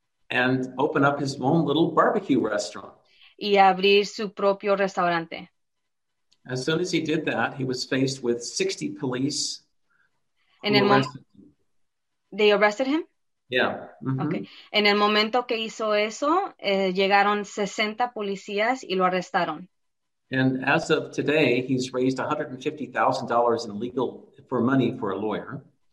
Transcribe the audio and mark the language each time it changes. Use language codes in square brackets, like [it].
[en] And open up his own little barbecue restaurant. [es] Y abrir su propio restaurante. [en] As soon as he did that, he was faced with 60 police. They arrested him? Yeah. Mm-hmm. Okay. [es] En el momento que hizo eso, llegaron 60 policías y lo arrestaron. [en] And as of today, he's raised $150,000 in legal for money for a lawyer.